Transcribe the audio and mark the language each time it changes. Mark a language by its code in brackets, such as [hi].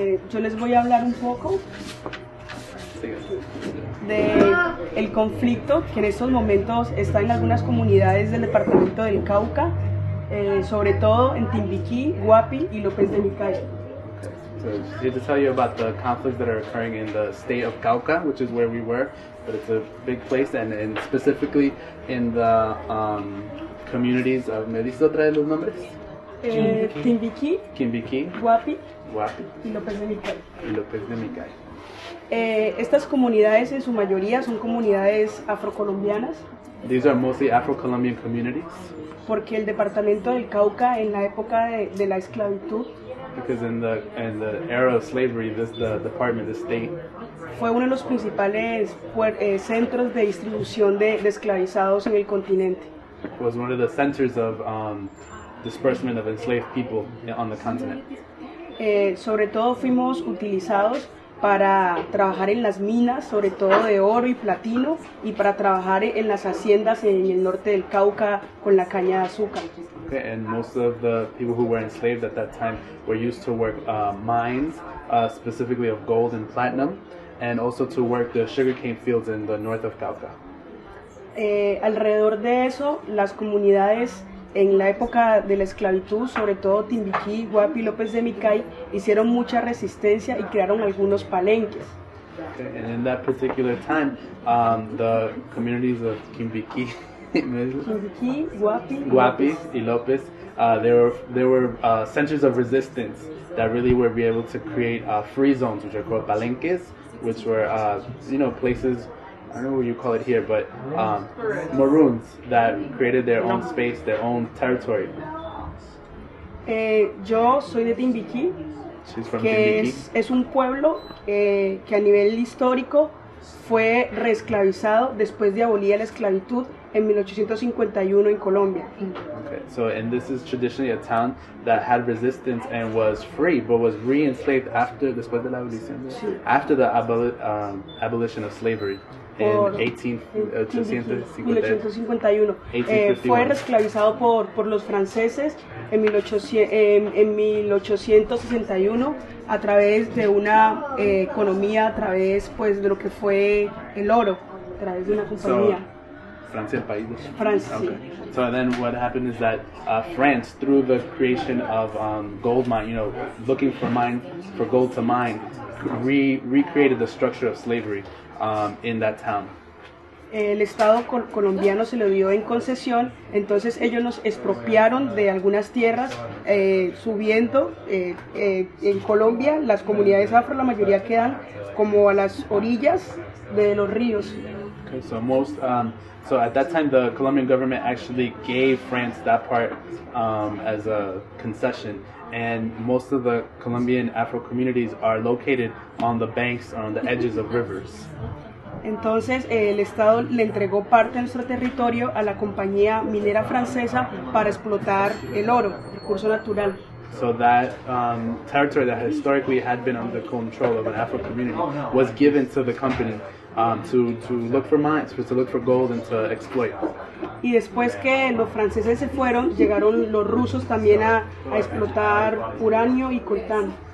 [es] Yo les voy a hablar un poco de el conflicto que en estos momentos está en algunas comunidades del departamento del Cauca, sobre todo en Timbiquí, Guapi y López de Micaya. [en] So just to tell you about the conflicts that are occurring in the state of Cauca, which is where we were, but it's a big place, and specifically in the communities of, [es] ¿me dice otra vez los nombres? Timbiquí, Guapi. Y López de Micay. Estas comunidades en su mayoría son comunidades afrocolombianas. [en] These are mostly Afro-Colombian communities. [es] Porque el departamento del Cauca en la época de la esclavitud. [en] Because in the era of slavery, the state. [es] Fue uno de los principales centros de distribución de esclavizados en el continente. [en] It was one of the centers of disbursement of enslaved people on the continent. [es] Sobre todo fuimos utilizados para trabajar en las minas, sobre todo de oro y platino, y para trabajar en las haciendas en el norte del Cauca con la caña de azúcar. [en] Okay, and most of the people who were enslaved at that time were used to work mines, specifically of gold and platinum, and also to work the sugarcane fields in the north of Cauca. [es] Alrededor de eso, las comunidades en la época de la esclavitud, sobre todo Timbiquí, Guapi, López de Micay, hicieron mucha resistencia y crearon algunos palenques. [en] Okay, and in that particular time, the communities of Timbiquí, Guapi, y López, there were centers of resistance that really were be able to create free zones, which are called palenques, which were places. I don't know what you call it here, but maroons that created their own space, their own territory. [es] Yo soy de Timbiquí. [en] She's from [es] que Timbiquí. Es un pueblo que a nivel histórico fue reesclavizado después de abolir la esclavitud en 1851 en Colombia. [en] Okay, so and this is traditionally a town that had resistance and was free, but was re-enslaved after, [es] después de la abolición, sí. [en] After the abolition of slavery. [es] Fue reesclavizado por los franceses en 1861 a través de una economía, a través pues de lo que fue el oro, a través de una compañía. [en] So, okay. So then what happened is that France, through the creation of gold mine, looking for gold to mine, recreated the structure of slavery in that town. [es] El Estado colombiano se lo dio en concesión, entonces ellos nos expropiaron de algunas tierras, subiendo en Colombia, las comunidades afro, la mayoría quedan como a las orillas de los ríos. [en] Okay, so most, so at that time the Colombian government actually gave France that part as a concession, and most of the Colombian Afro communities are located on the banks or on the edges of rivers. [es] Entonces el Estado le entregó parte de nuestro territorio a la compañía minera francesa para explotar el oro, recurso natural. [en] So that territory that historically had been under control of an Afro community was given to the company to look for mines, to look for gold and to exploit. [es] Y después que los franceses se fueron, llegaron los rusos también a explotar uranio y coltán.